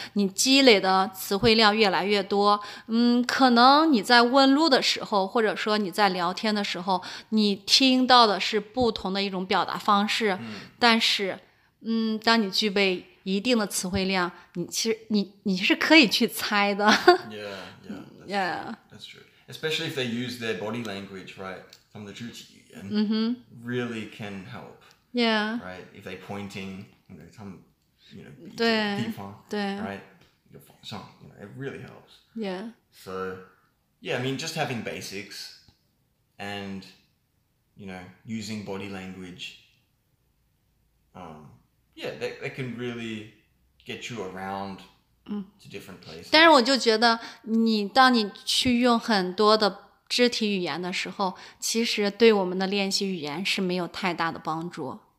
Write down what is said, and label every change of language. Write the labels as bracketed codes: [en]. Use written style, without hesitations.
[zh] 你积累的词汇量越来越多, 可能你在问路的时候, 或者说你在聊天的时候, 你听到的是不同的一种表达方式, 但是, 当你具备 一定的词汇量, 你是可以去猜的。 [en] Yeah, that's true. Especially if they use their body language, right? From the 肢体语言, really can help. Yeah. Right? If they're pointing, you know, 他们, you know, [zh] 鼻子的地方, 对, [en] right? [zh] 有方向, [en] you know, it really helps. Yeah. So, yeah, I mean, just having basics and, you know, using body language, yeah, that can really get you around to different places. [zh] 但是我就觉得你当你去用很多的肢体语言的时候, 其实对我们的练习语言是没有太大的帮助。